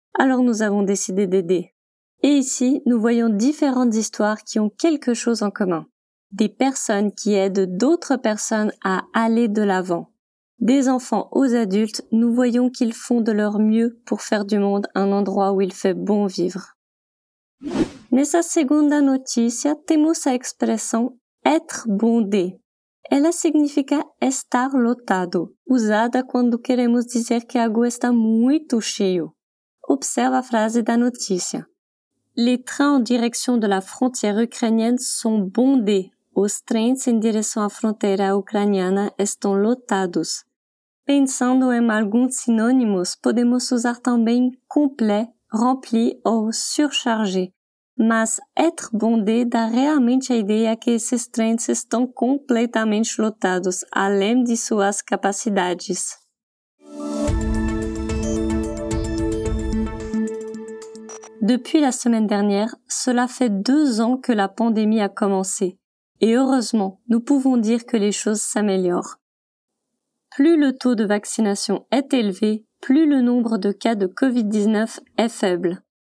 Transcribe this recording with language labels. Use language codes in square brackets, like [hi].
[fr] Alors nous avons décidé d'aider. » Et ici, nous voyons différentes histoires qui ont quelque chose en commun. Des personnes qui aident d'autres personnes à aller de l'avant. Des enfants aux adultes, nous voyons qu'ils font de leur mieux pour faire du monde un endroit où il fait bon vivre. [pt] Nessa segunda notícia, temos a expressão être bondé. Ela significa estar lotado, usada quando queremos dizer que algo está muito cheio. Observe a frase da notícia. [fr] Les trains en direction de la frontière ukrainienne sont bondés. [pt] Os trens em direção à fronteira ucraniana estão lotados. Pensando em alguns sinônimos, podemos usar também complet, rempli ou surchargé. Mas être bondé dá realmente a ideia que esses trens estão completamente lotados, além de suas capacidades. [fr] Depuis la semaine dernière, cela fait 2 ans que la pandémie a commencé. Et heureusement, nous pouvons dire que les choses s'améliorent. Plus le taux de vaccination est élevé, plus le nombre de cas de COVID-19 est faible.